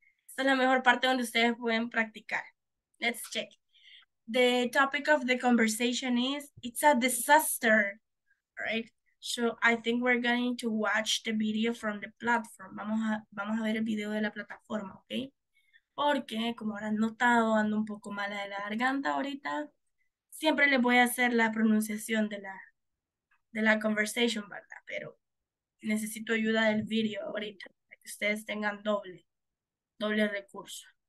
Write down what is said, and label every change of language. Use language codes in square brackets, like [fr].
[es] Esta es la mejor parte donde ustedes pueden practicar. [en] Let's check. The topic of the conversation is, it's a disaster, all right? So I think we're going to watch the video from the platform. [es] Vamos a ver el video de la plataforma, okay? Porque, como habrán notado, ando un poco mala de la garganta ahorita. Siempre les voy a hacer la pronunciación de la conversation, ¿verdad? necesito ayuda del video ahorita, para que ustedes tengan doble recurso.